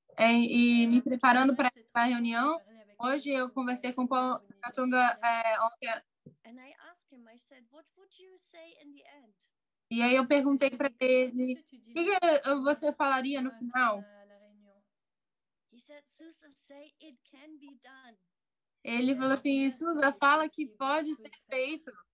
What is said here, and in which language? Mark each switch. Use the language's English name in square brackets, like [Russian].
[Portuguese] E me preparando para essa reunião, hoje eu conversei com Paul Lungtunga ontem. [English] And I asked him, I said, what would you say in the end? [Portuguese] E aí eu perguntei para ele, o que você falaria no final? [English] He said, Susan, say it can be done. [Portuguese] Ele falou assim, Susan, fala que pode ser feito.